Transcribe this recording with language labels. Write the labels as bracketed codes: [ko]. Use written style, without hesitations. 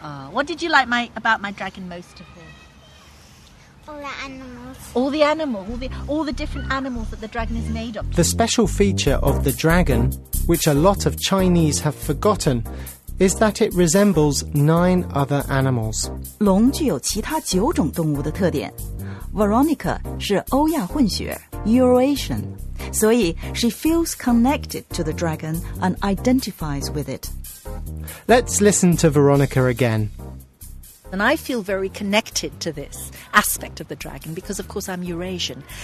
[en] What did you like about my dragon most of all? All the animals. All the animals. All the different animals that the dragon is made of. The special feature of the dragon, which a lot of Chinese have forgotten, is that it resembles 9 other animals. [zh] 龙具有其他九种动物的特点。 [en] Veronica [zh] 是欧亚混血 [en] Eurasian, [zh] 所以 [en] she feels connected to the dragon and identifies with it. Let's listen to Veronica again. And I feel very connected to this aspect of the dragon because, of course, I'm Eurasian.